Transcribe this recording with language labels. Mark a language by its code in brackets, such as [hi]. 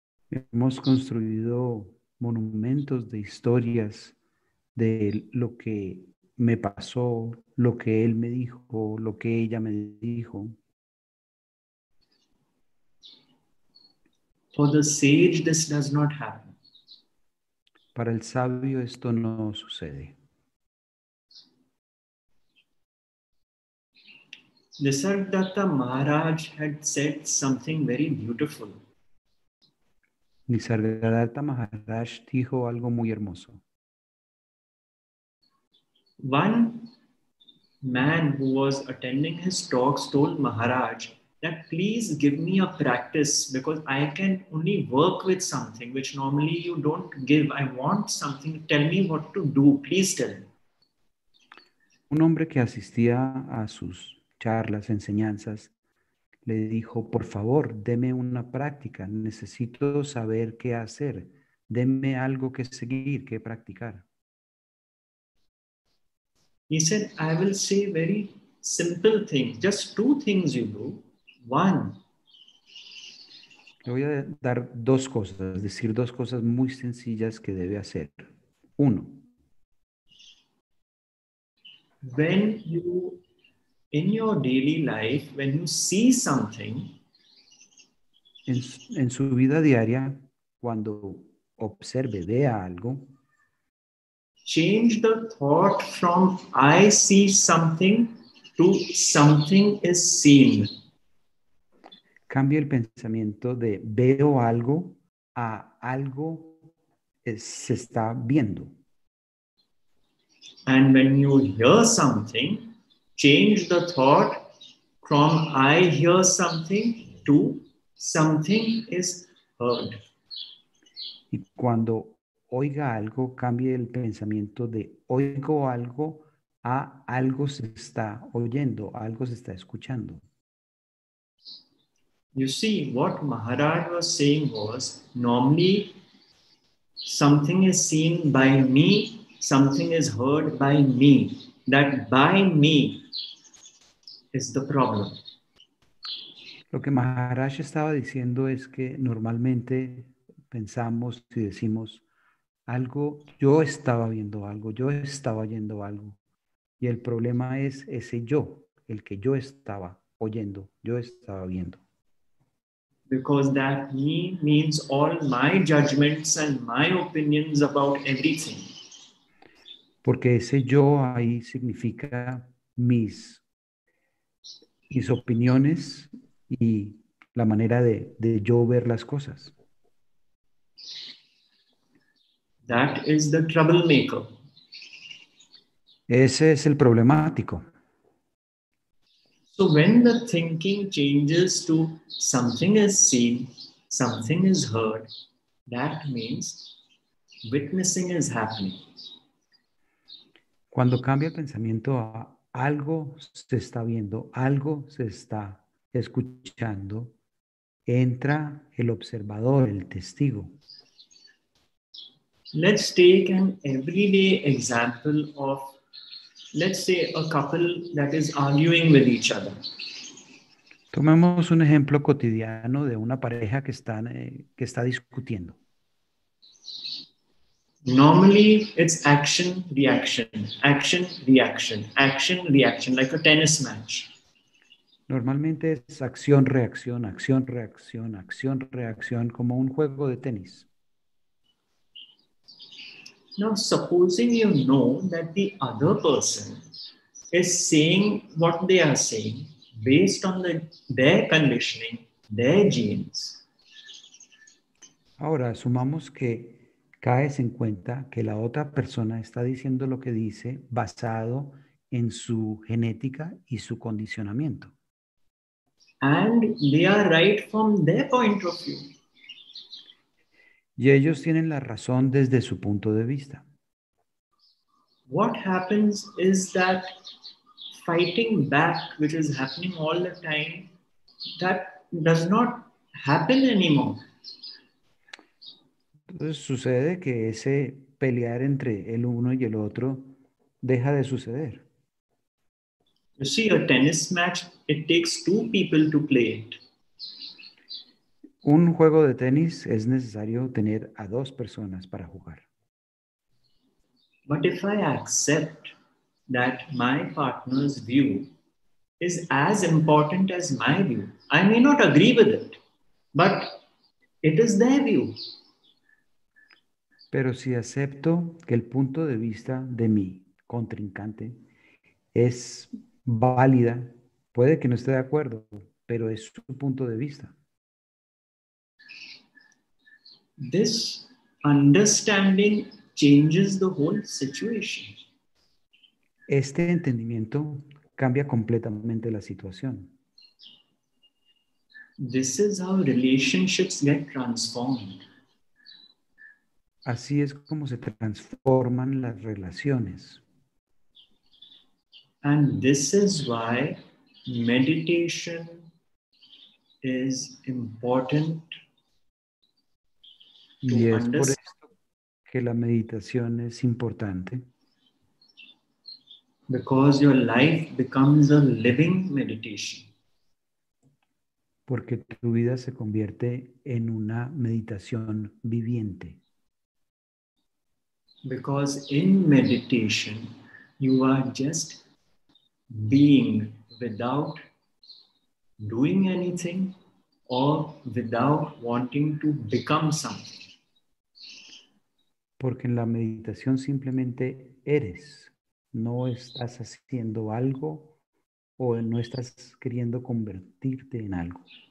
[es] Hemos construido monumentos de historias de lo que me pasó, lo que él me dijo, lo que ella me dijo. [en] For the sage, this does not happen. [es] Para el sabio, esto no sucede. [en] Nisargadatta Maharaj had said something very beautiful. [es] Nisargadatta Maharaj dijo algo muy hermoso. [en] One man who was attending his talks told Maharaj that please give me a practice because I can only work with something which normally you don't give. I want something. Tell me what to do. Please tell me. [es] Un hombre que asistía a sus charlas, enseñanzas, le dijo, por favor, deme una práctica. Necesito saber qué hacer. Deme algo que seguir, que practicar. [en] He said, I will say very simple things. Just two things you do. One. [es] Le voy a dar dos cosas, decir dos cosas muy sencillas que debe hacer. Uno. [en] When you in your daily life, when you see something, [es] en su vida diaria, cuando observe, vea algo, [en] change the thought from I see something to something is seen. [es] Cambie el pensamiento de veo algo a algo se está viendo. [en] And when you hear something, change the thought from I hear something to something is heard. [es] Y cuando oiga algo, cambie el pensamiento de oigo algo a algo se está oyendo, algo se está escuchando. [en] You see, what Maharaj was saying was, normally something is seen by me, something is heard by me. that by me is the problem. [es] Lo que Maharaj estaba diciendo es que normalmente pensamos y decimos algo, yo estaba viendo algo, yo estaba oyendo algo. Y el problema es ese yo, el que yo estaba oyendo, yo estaba viendo. [en] Because that me means all my judgments and my opinions about everything. [es] Porque ese yo ahí significa mis opiniones y la manera de yo ver las cosas. [en] That is the troublemaker. [es] Ese es el problemático. [en] So when the thinking changes to something is seen, something is heard, that means witnessing is happening. [es] Cuando cambia el pensamiento a algo se está viendo, algo se está escuchando, entra el observador, el testigo. [en] Let's take an everyday example of, let's say, a couple that is arguing with each other. [es] Tomemos un ejemplo cotidiano de una pareja que están, que está discutiendo. [en] Normally, it's action, reaction, action, reaction, action, reaction, like a tennis match. [es] Normalmente es acción, reacción, acción, reacción, acción, reacción, como un juego de tenis. [en] Now, supposing you know that the other person is saying what they are saying based on their conditioning, their genes. [es] Ahora, asumamos que caes en cuenta que la otra persona está diciendo lo que dice basado en su genética y su condicionamiento. [en] And they are right from their point of view. [es] Y ellos tienen la razón desde su punto de vista. [en] What happens is that fighting back, which is happening all the time, that does not happen anymore. [es] Entonces sucede que ese pelear entre el uno y el otro deja de suceder. [en] You see, a tennis match, it takes two people to play it. [es] Un juego de tenis es necesario tener a dos personas para jugar. [en] But if I accept that my partner's view is as important as my view, I may not agree with it, but it is their view. [es] Pero si acepto que el punto de vista de mi contrincante es válida, puede que no esté de acuerdo, pero es su punto de vista. [en] This understanding changes the whole situation. [es] Este entendimiento cambia completamente la situación. [en] This is how relationships get transformed. [es] Así es como se transforman las relaciones. [en] And this is why meditation is important. [es] Y es por esto que la meditación es importante. [en] Because your life becomes a living meditation. [es] Porque tu vida se convierte en una meditación viviente. [en] Because in meditation, you are just being without doing anything or without wanting to become something. [es] Porque en la meditación simplemente eres, no estás haciendo algo o no estás queriendo convertirte en algo.